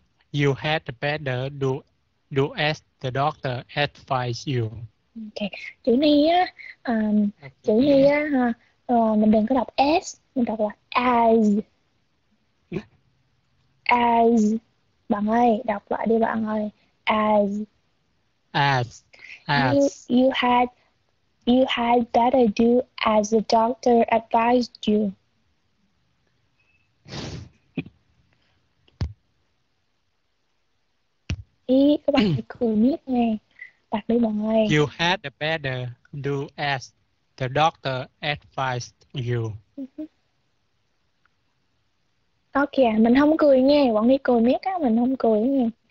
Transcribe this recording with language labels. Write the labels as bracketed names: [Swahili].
[English] You had better do as the doctor advised you. Okay. [Vietnamese] Chữ này á, chữ này á ha, mình đừng có đọc s, mình đọc là as. As, bạn ơi, đọc lại đi bạn ơi. [English] As. As. You had better do as the doctor advised you. [Vietnamese] Ý, các bạn phải cười miết nghe. Đặt đi bạn ơi. [English] You had better do as the doctor advised you. [Vietnamese] Đó kìa, mình không cười nghe. Bọn đi cười miết á, mình không cười nghe.